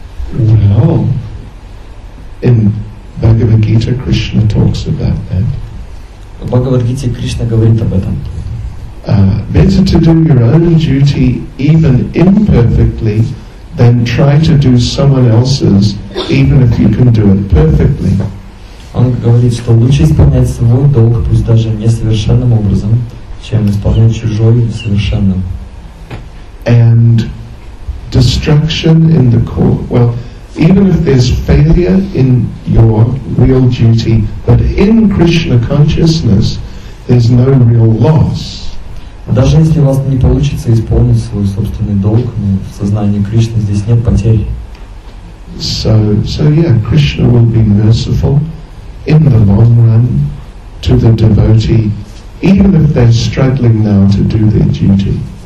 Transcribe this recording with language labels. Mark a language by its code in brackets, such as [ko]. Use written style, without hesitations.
[en] Well, in Bhagavad Gita, Krishna talks about that. [ru] Bhagavad Gita, Krishna говорит об этом. [en] Better to do your own duty, even imperfectly, than try to do someone else's, even if you can do it perfectly. [ru] Он говорит, что лучше исполнять свой долг, пусть даже несовершенным образом, чем исполнять чужой совершенным. [en] And destruction in the court. Well, even if there's failure in your real duty, but in Krishna consciousness, there's no real loss. [ru] Даже если у вас не получится исполнить свой собственный долг, но в сознании Кришны здесь нет потерь. [en] So yeah, Krishna will be merciful in the long run to the devotee, even if they're struggling now to do their duty.